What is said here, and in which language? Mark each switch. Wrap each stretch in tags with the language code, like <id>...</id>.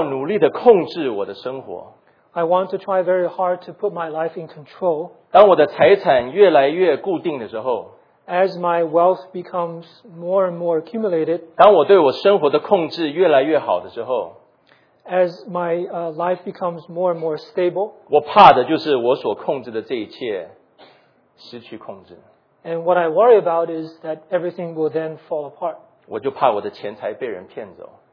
<zh>我要努力地控制我的生活。</zh> <en>I want to try very hard to put my life in control.</en> <zh>当我的财产越来越固定的时候,</zh> <en>as my wealth becomes more and more accumulated,</en> <zh>当我对我生活的控制越来越好的时候,</zh> <en>as my life becomes more and more stable,</en> <zh>我怕的就是我所控制的这一切失去控制。</zh> <en>And what I worry about is that everything will then fall apart.</en> <zh>我就怕我的钱财被人骗走。</zh>